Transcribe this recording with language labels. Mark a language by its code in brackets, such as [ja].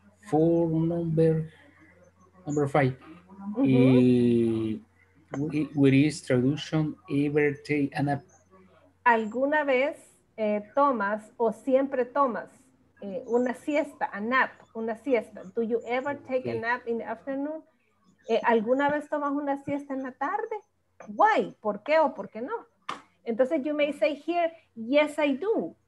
[en] For number 5. Uh-huh. What is traduction ever take an app? [es] ¿Alguna vez tomas o siempre tomas una siesta, a nap, una siesta? [en] Do you ever take a nap in the afternoon? [es] ¿Alguna vez tomas una siesta en la tarde? [en] Why? [es] ¿Por qué o por qué no? Entonces, [en] you may say here, yes, I do.